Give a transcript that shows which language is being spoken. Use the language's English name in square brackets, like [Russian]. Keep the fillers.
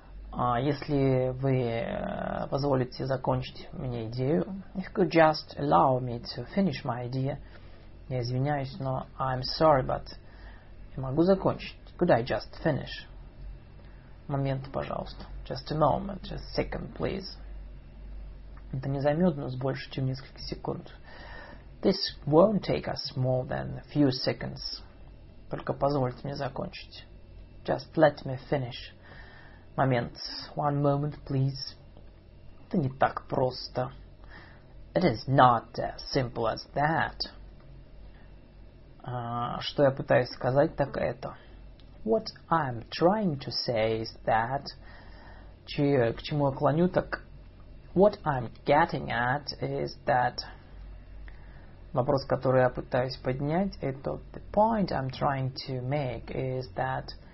[English] Uh, [Russian] если вы uh, позволите закончить мне идею, [English] if you could just allow me to finish my idea, [Russian] я извиняюсь, но [English] I'm sorry, but [Russian] я могу закончить. [English] Could I just finish? [Russian] Момент, пожалуйста. [English] Just a moment, just a second, please. [Russian] Это не займет нас больше, чем несколько секунд. [English] This won't take us more than a few seconds. [Russian] Только позвольте мне закончить. [English] Just let me finish момент. One moment, please. [Russian] Это не так просто. [English] It is not as simple as that. [Russian] Uh, что я пытаюсь сказать, так это. [English] What I'm trying to say is that. [Russian] Че, к чему я клоню, так... [English] What I'm getting at is that. [Russian] Вопрос, который я пытаюсь поднять, это... [English] The point I'm trying to make is that.